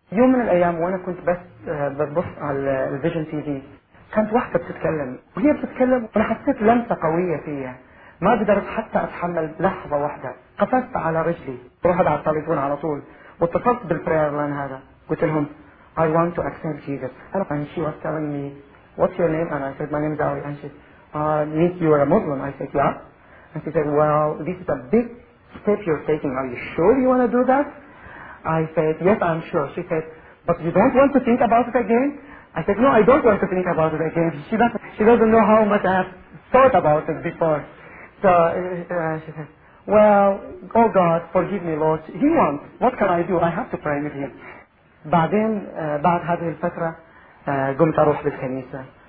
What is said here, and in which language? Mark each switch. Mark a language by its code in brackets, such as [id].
[ar] يوم من الأيام وأنا كنت بس ببص على الفيجن تي في، كانت واحدة بتتكلم وهي بتتكلم، أنا حسيت لمسة قوية فيها ما قدرت حتى أتحمل لحظة واحدة. قفزت على رجلي، رحت على التليفون على طول واتصلت بالبرير لان هذا، قلت لهم [en] I want to accept Jesus. And she was telling me what's your name and I said my name is Ali. And she said you are a Muslim. I said yeah. And she said well this is a big step you're taking. Are you sure you want to do that? I said, yes, I'm sure. She said, but you don't want to think about it again? I said, no, I don't want to think about it again. She doesn't know how much I have thought about it before. So she said, well, oh God, forgive me, Lord. He wants. What can I do? I have to pray with him. [ar] بعدين بعد هذه الفترة قمت أروح للكنيسة.